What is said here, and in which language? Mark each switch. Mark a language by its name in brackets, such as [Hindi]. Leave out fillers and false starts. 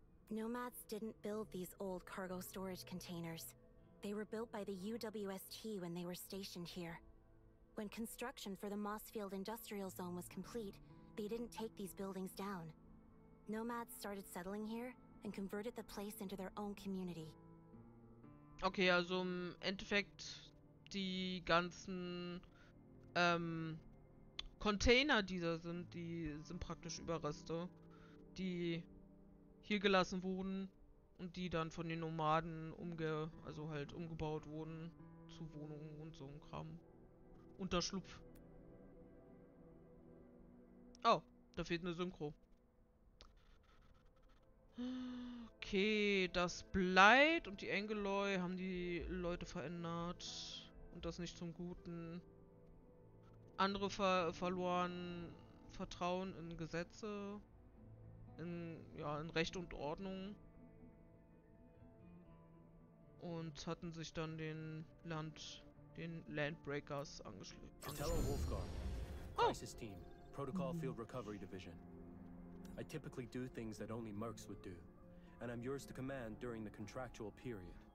[English] Nomads didn't build these old cargo storage containers. They were built by the UWST when they were stationed here. When construction for the Mossfield Industrial Zone was complete, they didn't take these buildings down. Nomads started settling here, and converted the place into their own community. [German] Okay, also im Endeffekt die ganzen Container, die da sind, die sind praktisch Überreste, die hier gelassen wurden und die dann von den Nomaden umgebaut wurden zu Wohnungen und so ein Kram. Unterschlupf. Oh, da fehlt eine Synchro. Okay, das Blight und die Angeloy haben die Leute verändert. Und das nicht zum Guten. Andere verloren Vertrauen in Gesetze. In Recht und Ordnung. Und hatten sich dann den Landbreakers angeschlossen. [English] Protocol Field Recovery Division. I typically do things that only Mercs would do, and I'm yours to command during the contractual period.